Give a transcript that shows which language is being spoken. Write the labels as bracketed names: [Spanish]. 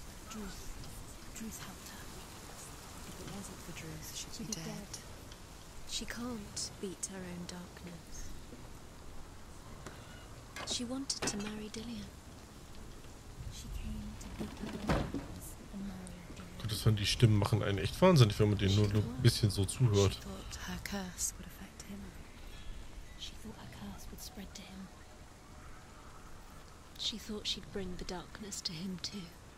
[English] Druth helped her. If it wasn't for Druth, she'd be dead. She can't beat her own darkness. She wanted to marry Dillian. She came to beat her own darkness and marry Dillian. [German] Gut, das hören die Stimmen machen einen echt wahnsinnig, wenn man denen nur ein bisschen so zuhört. [English] She thought her curse would affect him. She thought her curse would spread to him. She thought she'd bring the darkness to him too.